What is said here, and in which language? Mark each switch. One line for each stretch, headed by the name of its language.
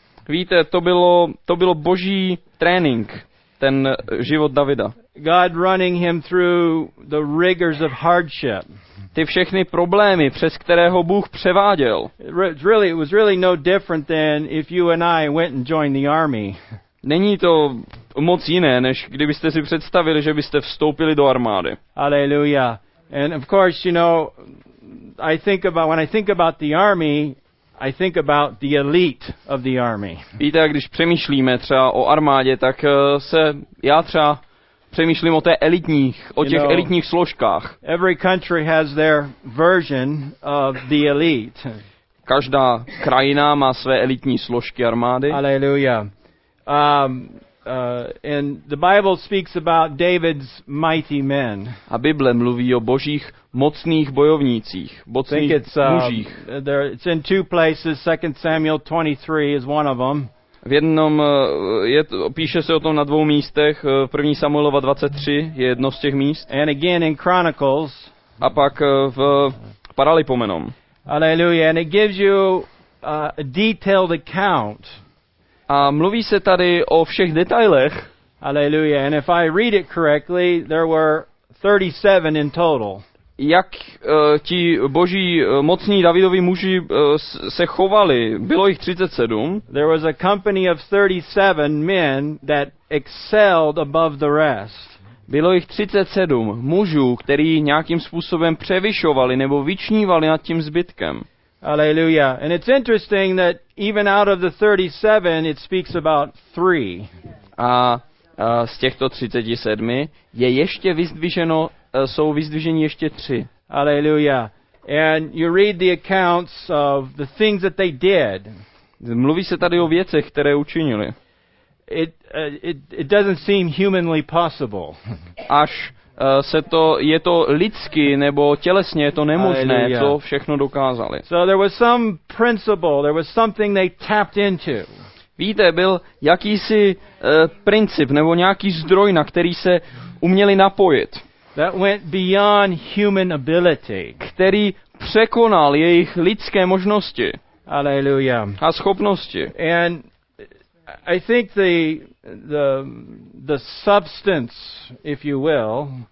Czech: Víte, to bylo Boží trénink, ten život Davida.
English: God running him through the rigors of hardship.
Czech: Ty všechny problémy, přes které ho Bůh převáděl.
English: It was really no different than if you and I went and joined the army.
Czech: Není to moc jiné, než kdybyste si představili, že byste vstoupili do armády. Alleluja.
English: And of course, you know, when I think about the army, I think about the elite of the army.
Czech: Víte, když přemýšlíme třeba o armádě, tak se já třeba přemýšlím o těch elitních složkách.
English: Every country has their version of the elite.
Czech: Každá krajina má své elitní složky armády. Alleluja.
English: And the Bible speaks about David's mighty men.
Czech: A Bible mluví o Božích mocných bojovnících, mocných mužích.
English: It's in two places. 2 Samuel 23 is one of them.
Czech: V jednom píše se o tom na dvou místech. 1 Samuelova 23 je jedno z těch míst.
English: And again in Chronicles.
Czech: A pak v Paralipomenon.
English: Alleluja. And it gives you a detailed account.
Czech: A mluví se tady o všech detailech. Alleluja.
English: And if I read it correctly, there were 37 in total.
Czech: Jak ti boží mocní Davidovi muži se chovali, bylo jich 37.
English: There was a company of 37 men that excelled above the rest.
Czech: Bylo jich 37 mužů, kteří nějakým způsobem převyšovali nebo vyčnívali nad tím zbytkem. Alleluja.
English: And it's interesting that even out of the 37 it speaks about 3.
Czech: A z těchto 37 je ještě vyzdviženo jsou vyzdviženi ještě 3. Alleluja.
English: And you read the accounts of the things that they did.
Czech: Mluví se tady o věcech, které učinili.
English: It doesn't seem humanly possible.
Czech: Až je to lidsky nebo tělesně je to nemožné, co všechno dokázali.
English: So there was some principle, there was something they tapped into.
Czech: Víte, byl jakýsi princip nebo nějaký zdroj, na který se uměli napojit.
English: That went beyond human ability.
Czech: Který překonal jejich lidské možnosti. Alleluja. A schopnosti.
English: And I think the substance, if you will.